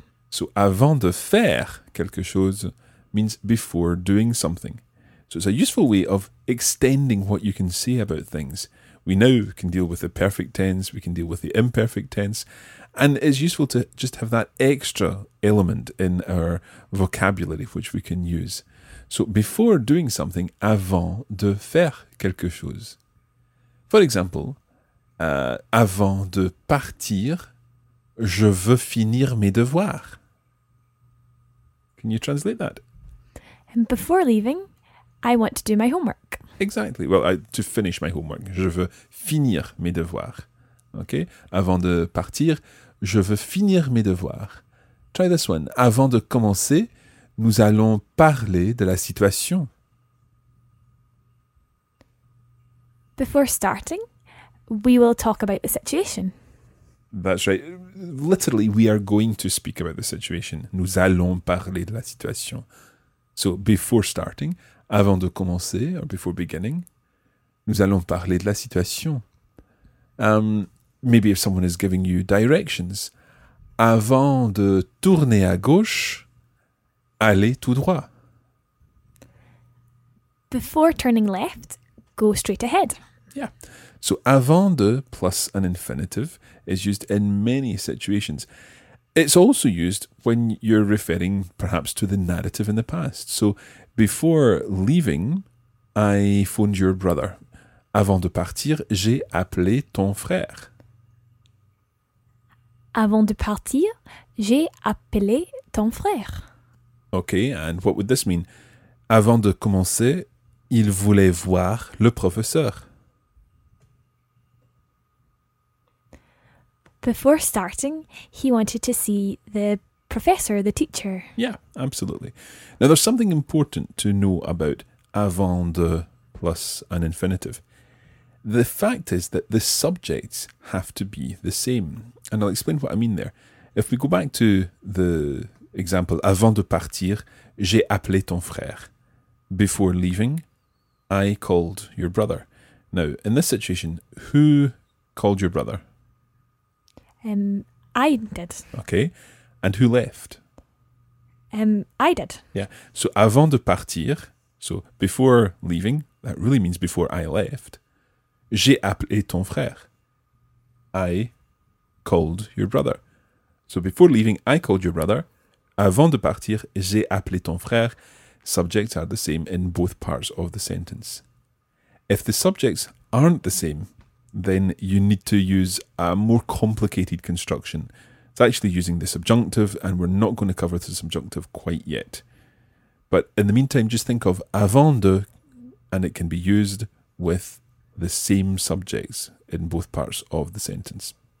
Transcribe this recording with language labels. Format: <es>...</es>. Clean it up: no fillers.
<en>So</en> <fr>avant de faire quelque chose</fr> <en>means before doing something. So it's a useful way of extending what you can say about things. We now can deal with the perfect tense, we can deal with the imperfect tense, and it's useful to just have that extra element in our vocabulary which we can use. So before doing something,</en> <fr>avant de faire quelque chose.</fr> <en>For example,</en> <fr>avant de partir, je veux finir mes devoirs.</fr> <en>Can you translate that? And before leaving, I want to do my homework. Exactly. Well, to finish my homework.</en> <fr>Je veux finir mes devoirs. Okay? Avant de partir, je veux finir mes devoirs.</fr> <en>Try this one.</en> <fr>Avant de commencer, nous allons parler de la situation.</fr> <en>Before starting, we will talk about the situation. That's right. Literally, we are going to speak about the situation.</en> <fr>Nous allons parler de la situation.</fr> <en>So, before starting,</en> <fr>avant de commencer,</fr> <en>or before beginning,</en> <fr>nous allons parler de la situation.</fr> <en>Maybe if someone is giving you directions.</en> <fr>Avant de tourner à gauche, allez tout droit.</fr> <en>Before turning left, go straight ahead. Yeah. So avant de plus an infinitive is used in many situations. It's also used when you're referring perhaps to the narrative in the past. So before leaving, I phoned your brother.</en> <fr>Avant de partir, j'ai appelé ton frère. Avant de partir, j'ai appelé ton frère.</fr> <en>Okay, and what would this mean?</en> <fr>Avant de commencer, il voulait voir le professeur.</fr> <en>Before starting, he wanted to see the professor, the teacher. Yeah, absolutely. Now, there's something important to know about avant de plus an infinitive. The fact is that the subjects have to be the same. And I'll explain what I mean there. If we go back to the example,</en> <fr>avant de partir, j'ai appelé ton frère.</fr> <en>Before leaving, I called your brother. Now, in this situation, who called your brother? I did. Okay. And who left? I did. Yeah. So</en> <fr>avant de partir,</fr> <en>so before leaving, that really means before I left,</en> <fr>j'ai appelé ton frère.</fr> <en>I called your brother. So before leaving, I called your brother.</en> <fr>Avant de partir, j'ai appelé ton frère.</fr> <en>Subjects are the same in both parts of the sentence. If the subjects aren't the same, then you need to use a more complicated construction. It's actually using the subjunctive, and we're not going to cover the subjunctive quite yet. But in the meantime, just think of avant de, and it can be used with the same subjects in both parts of the sentence.</en>